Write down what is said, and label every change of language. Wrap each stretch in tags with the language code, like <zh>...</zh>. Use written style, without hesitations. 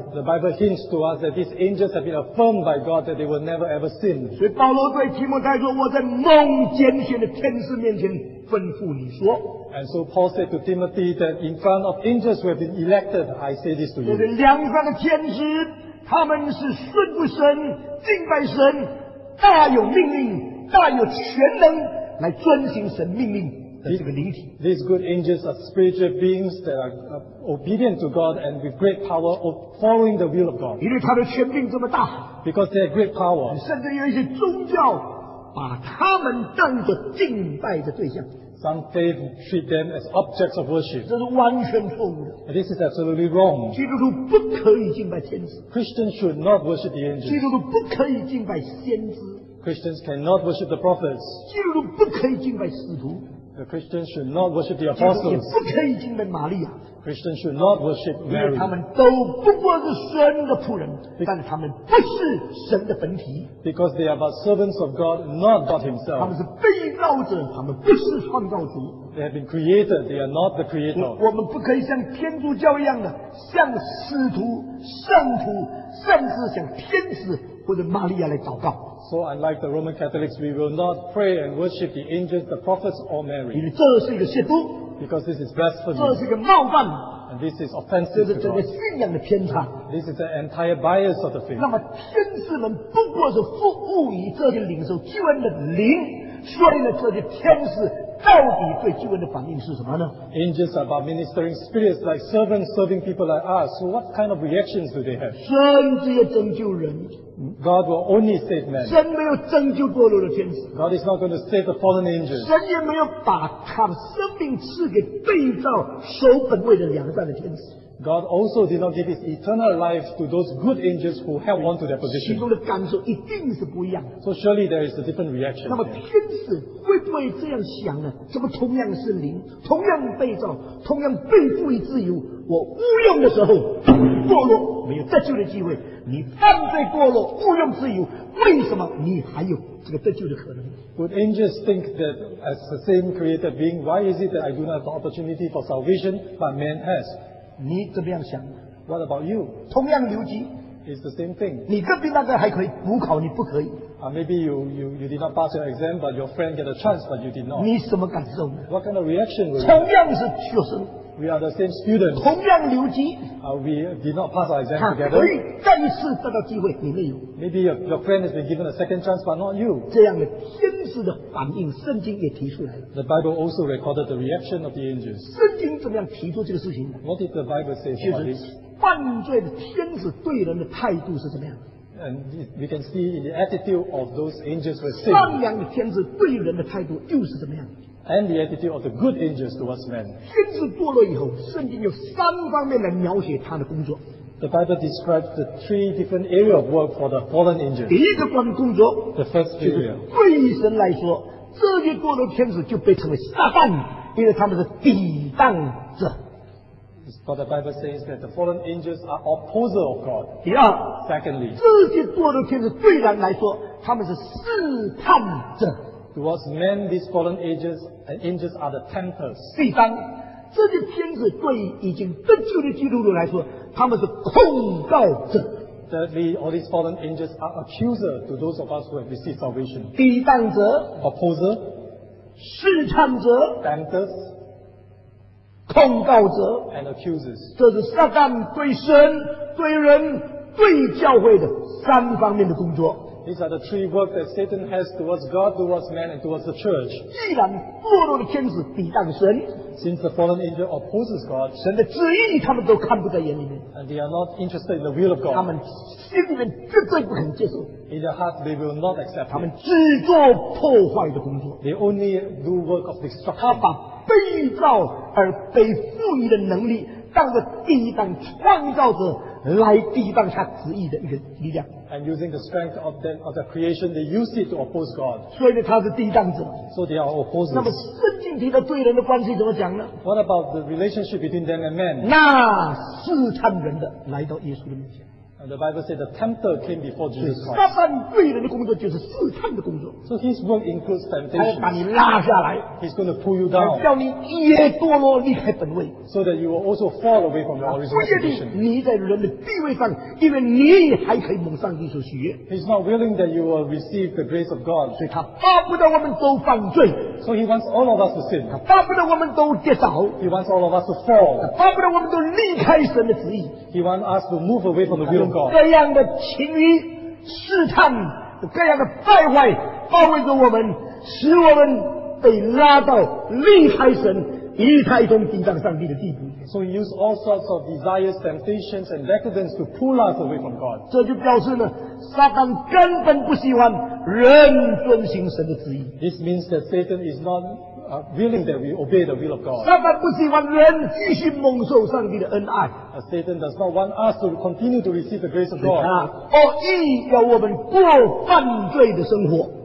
<en>The Bible hints to us that these angels have been affirmed by God that they will never ever sin.</en> <zh>所以保罗对提摩太说：“我在蒙拣选的天使面前吩咐你说。”</zh> <en>And so Paul said to Timothy that in front of angels who have been elected, I say this to you.</en> <zh>这两方的天使，他们是顺服神、敬拜神，大有命令、大有全能。来遵循神命令的这个灵体。</zh> <en>These good angels are spiritual beings that are obedient to God and with great power of following the will of God.</en> <zh>因为他的权柄这么大。</zh> <en>Because they have great power.</en> <zh>甚至有一些宗教把他们当作敬拜的对象。</zh> <en>Some faith treat them as objects of worship.</en> <zh>这是完全错误的。</zh> <en>This is absolutely wrong.</en> <zh>基督徒不可以敬拜天使。</zh> <en>Christians should not worship the angels.</en> <zh>基督徒不可以敬拜先知。</zh> <en>Christians cannot worship the prophets.</en> <zh>基督徒不可以敬拜使徒。</zh> <en>The Christians should not worship the apostles.</en> <zh>基督徒也不可以敬拜玛利亚。</zh> <en>Christians should not worship Mary.</en> <zh>因为他们都不过是神的仆人，但他们不是神的本体。</zh> <en>Because they are but servants of God, not God himself.</en> <zh>他们是被造者，他们不是创造主。</zh> <en>They have been created, they are not the creator.</en> <zh>我们不可以像天主教一样的，像使徒、圣徒，甚至像天使或者玛利亚来祷告。</zh> <en>So unlike the Roman Catholics, we will not pray and worship the angels, the prophets, or Mary.</en> <zh>因为这是一个亵渎。</zh> <en>Because this is blasphemy.</en> <zh>这是一个冒犯。</zh> <en>And this is offensive.</en> <zh>这是整个信仰的偏差。</zh> <en>This is the entire bias of the faith.</en> <zh>那么天使们不过是服务于这些领受救恩的灵，所以呢，这些天使到底对救恩的反应是什么呢？</zh> <en>Angels are about ministering spirits like servants serving people like us. So what kind of reactions do they have?</en> <zh>神只有拯救人。</zh> <en>God will only save men.</en> <zh>神没有拯救堕落的天使。</zh> <en>God is not going to save the fallen angels.</en> <zh>神也没有把他的生命赐给被造守本位的良善的天使。</zh> <en>God also did not give his eternal life to those good angels who held on to their position.</en> <zh>心中的感受一定是不一样的。</zh> <en>So surely there is a different reaction.</en> <zh>那么天使会不会这样想呢？怎么同样是灵，同样被造，同样被赋予自由，我无用的时候堕落，没有得救的机会。你犯罪堕落，无用自由，为什么你还有这个得救的可能？</zh> <en>Would angels think that as the same created being, why is it that I do not have the opportunity for salvation, but man has?</en> <zh>你怎么样想？</zh> <en>What about you?</en> <zh>同样留级。</zh> <en>It's the same thing.</en> <zh>你隔壁那个还可以补考，你不可以。</zh> <en>Maybe you did not pass your exam, but your friend get a chance, but you did not.</en> <zh>你什么感受？</zh> <en>What kind of reaction will you?</en> <zh>同样是学生。</zh> <en>We are the same students.</en> <zh>同样留级。</zh> <en>We did not pass our exam together.</en> <zh>可以再次得到机会，你没有。</zh> <en>Maybe your friend has been given a second chance, but not you.</en> <zh>这样的天使的反应，圣经也提出来。</zh> <en>The Bible also recorded the reaction of the angels.</en> <zh>圣经怎么样提出这个事情？</zh> <en>What did the Bible say about this?</en> <zh>就是犯罪的天使对人的态度是怎么样？</zh> <en>And we can see in the attitude of those angels were saved.</en> <zh>善良的天使对人的态度又是怎么样？</zh> <en>And the attitude of the good angels towards men.</en> <zh>天使堕落以后，圣经有三方面来描写他的工作。</zh> <en>The Bible describes the three different areas of work for the fallen angels.</en> <zh>第一个关于工作，</zh> <en>the first area.</en> <zh>对于神来说，这些堕落天使就被称为撒旦，因为他们是抵挡者。</zh> <en>But the Bible says that the fallen angels are opposer of God.</en> <zh>第二，</zh> <en>secondly,</en> <zh>这些堕落天使对人来说，他们是试探者。</zh> <en>Towards men, these fallen angels and angels are the tempters.</en> <zh>第三，这些天使对于已经得救的基督徒来说，他们是控告者。</zh> <en>Thirdly, all these fallen angels are accuser to those of us who have received salvation.</en> <zh>抵挡者</zh> <en>，opposer，</en> <zh>试探者</zh> <en>，tempters，</en> <zh>控告者</zh> <en>，and accusers.</en> <zh>这是撒旦对神、对人、对教会的三方面的工作。</zh> <en>These are the three works that Satan has towards God, towards man, and towards the church.</en> <zh>既然堕落的天使抵挡神，</zh> <en>since the fallen angel opposes God,</en> <zh>神的旨意他们都看不在眼里面，</zh> <en>and they are not interested in the will of God,</en> <zh>他们心里面绝对不肯接受。</zh> <en>In their heart, they will not accept.</en> <zh>他们只做破坏的工作。</zh> <en>They only do work of destruction.</en> <zh>他把被造而被赋予的能力当作抵挡创造者来抵挡他旨意的一个力量。</zh> <en>And using the strength of the creation, they use it to oppose God.</en> <zh>所以呢，他是抵挡者。</zh> <en>So they are opposers.</en> <zh>那么圣经提到罪人的关系怎么讲呢</zh> <en>？What about the relationship between them and man?</en> <zh>那试探人的来到耶稣的面前。</zh> <en>And the Bible said the tempter came before Jesus Christ.</en> <zh>撒旦罪人的工作就是试探的工作。</zh> <en>So his work includes temptation.</en> <zh>他要把你拉下来。</zh> <en>He's going to pull you down.</en> <zh>叫你也堕落离开本位。</zh> <en>So that you will also fall away from your original position.</en> <zh>你在人的地位上，因为你还可以蒙上帝所喜悦。</zh> <en>He's not willing that you will receive the grace of God.</en> <zh>所以他巴不得我们都犯罪。</zh> <en>So he wants all of us to sin.</en> <zh>他巴不得我们都跌倒。</zh> <en>He wants all of us to fall.</en> <zh>他巴不得我们都离开神的旨意。</zh> <en>He wants us to move away from the will of God.</en> <zh>各样的情欲、试探、各样的败坏，包围着我们，使我们被拉到离开神、离开神、抵挡上帝的地步。</zh> <en>So he uses all sorts of desires, temptations, and decadence to pull us away from God.</en> <zh>这就表示呢，撒旦根本不喜欢人遵行神的旨意。</zh> <en>This means that Satan is not willing that we obey the will of God.</en> <zh>撒旦不喜欢人继续蒙受上帝的恩爱。</zh> <en>Satan does not want us to continue to receive the grace of God.</en> <zh>恶意要我们过犯罪的生活。</zh>